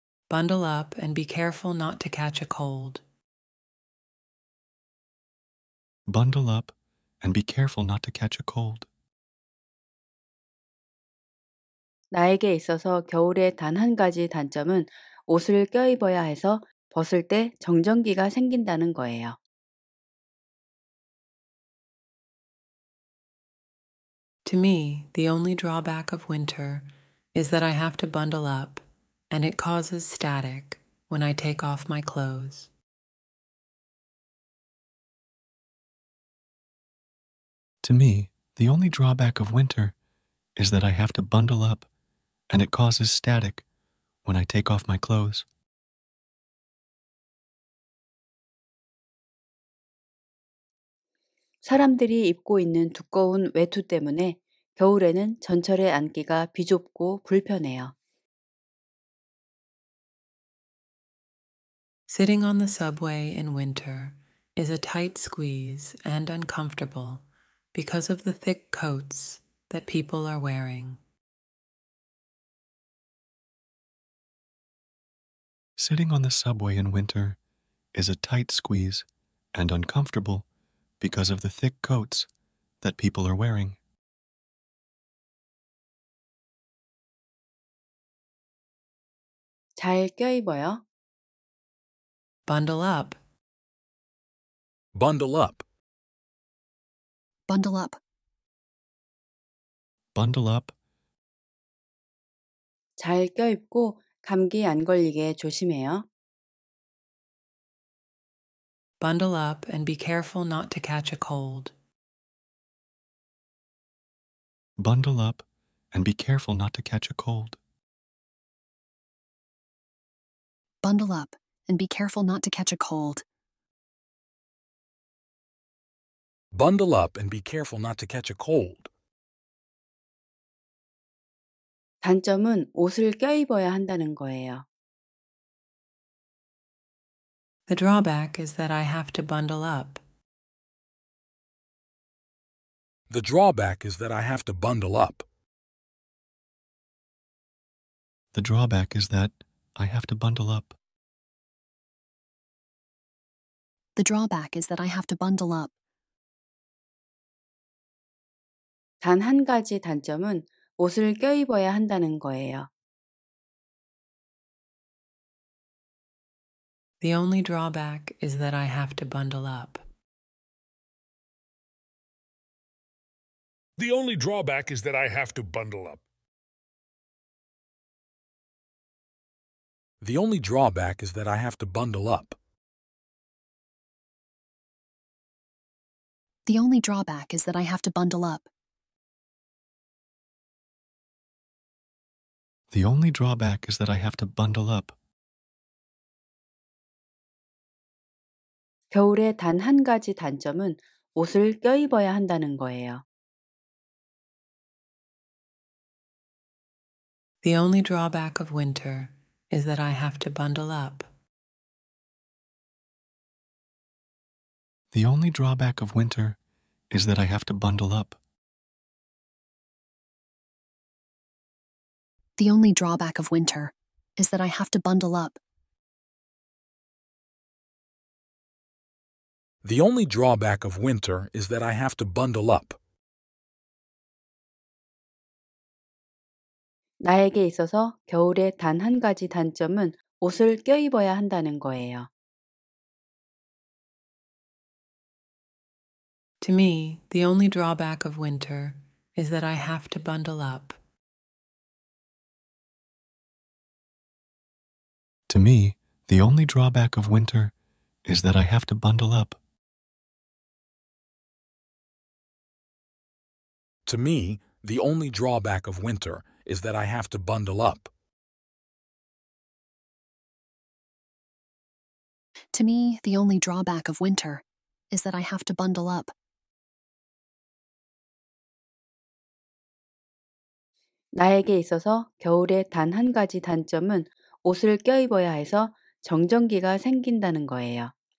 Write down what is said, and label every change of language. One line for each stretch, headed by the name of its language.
English: Bundle up and be careful not to catch a cold. Bundle up and be careful not to catch a cold.
Korean: 나에게 있어서 겨울의 단 한 가지 단점은 옷을 껴입어야 해서 벗을 때 정전기가 생긴다는 거예요.
English: To me, the only drawback of winter is that I have to bundle up, and it causes static when I take off my clothes. To me, the only drawback of winter is that I have to bundle up, and it causes static when I take off my clothes.
Korean: "사람들이 입고 있는 두꺼운 외투 때문에 겨울에는 전철에 앉기가 비좁고 불편해요."
English: Sitting on the subway in winter is a tight squeeze and uncomfortable because of the thick coats that people are wearing. Sitting on the subway in winter is a tight squeeze and uncomfortable because of the thick coats that people are wearing.
Korean: 잘 껴입어요.
English: Bundle up. Bundle up. Bundle up. Bundle up.
Korean: 잘 껴입고 감기 안 걸리게 조심해요.
English: Bundle up and be careful not to catch a cold. Bundle up and be careful not to catch a cold. Bundle up and be careful not to catch a cold. Bundle up and be careful not to catch a cold.
Korean: 단점은 옷을 껴입어야 한다는 거예요.
English: The drawback is that I have to bundle up. The drawback is that I have to bundle up. The drawback is that I have to bundle up. The drawback is that I have to bundle up.
Korean: 단 한 가지 단점은 옷을 껴입어야 한다는 거예요.
English: The only drawback is that I have to bundle up. The only drawback is that I have to bundle up. The only drawback is that I have to bundle up. The only drawback is that I have to bundle up. The only drawback is that I have to bundle up.
Korean: 겨울의 단 한 가지 단점은 옷을 껴입어야 한다는 거예요.
English: The only drawback of winter is that I have to bundle up. The only drawback of winter is that I have to bundle up. The only drawback of winter is that I have to bundle up. The only drawback of winter is that I have to bundle up.
Korean: 나에게 있어서 겨울의 단 한 가지 단점은 옷을 껴입어야 한다는 거예요.
English: To me, the only drawback of winter is that I have to bundle up. To me, the only drawback of winter is that I have to bundle up. To me, the only drawback of winter is that I have to bundle up. To me, the only drawback of winter is that I have to bundle up.
Korean: 나에게 있어서 겨울의 단 한 가지 단점은 옷을 껴입어야 해서 정전기가 생긴다는 거예요.